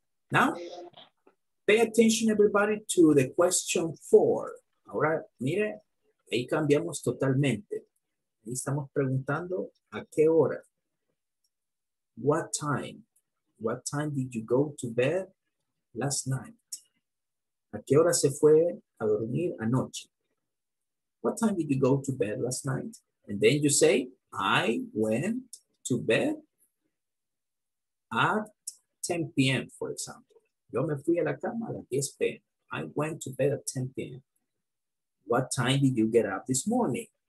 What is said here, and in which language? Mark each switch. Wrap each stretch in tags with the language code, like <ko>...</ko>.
<en>Now, pay attention everybody to the question four.</en> <es>Ahora, mire, ahí cambiamos totalmente. Ahí estamos preguntando a qué hora.</es> <en>What time? What time did you go to bed last night?</en> <es>¿A qué hora se fue a dormir anoche?</es> <en>What time did you go to bed last night? And then you say, I went to bed at 10 p.m., for example.</en> <es>Yo me fui a la cama a las 10 p.m.</es> <en>I went to bed at 10 p.m. What time did you get up this morning?</en>